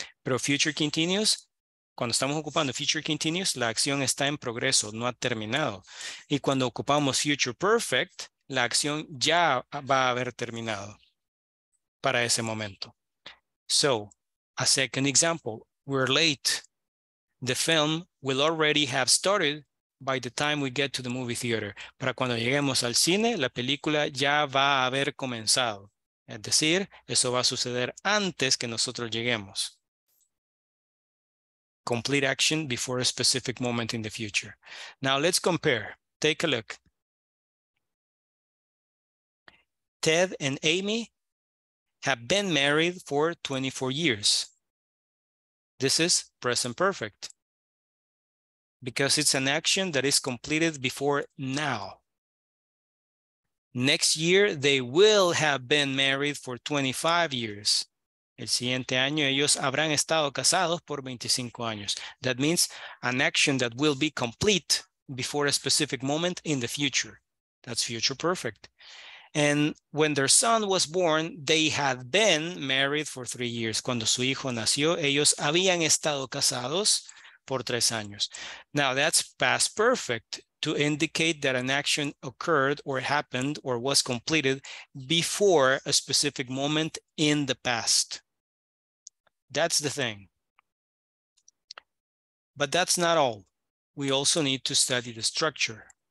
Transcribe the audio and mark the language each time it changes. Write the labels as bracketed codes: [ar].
[es] Pero future continuous, cuando estamos ocupando future continuous, la acción está en progreso, no ha terminado. Y cuando ocupamos future perfect, la acción ya va a haber terminado para ese momento. [en] So, a second example, we're late. The film will already have started by the time we get to the movie theater. [es] Para cuando lleguemos al cine, la película ya va a haber comenzado. Es decir, eso va a suceder antes que nosotros lleguemos. [en] Complete action before a specific moment in the future. Now let's compare. Take a look. Ted and Amy have been married for 24 years. This is present perfect, because it's an action that is completed before now. Next year, they will have been married for 25 years. [es] El siguiente año, ellos habrán estado casados por 25 años. [en] That means an action that will be complete before a specific moment in the future. That's future perfect. And when their son was born, they had been married for 3 years. [es] Cuando su hijo nació, ellos habían estado casados por tres años. [en] Now that's past perfect to indicate that an action occurred or happened or was completed before a specific moment in the past. That's the thing. But that's not all. We also need to study the structure.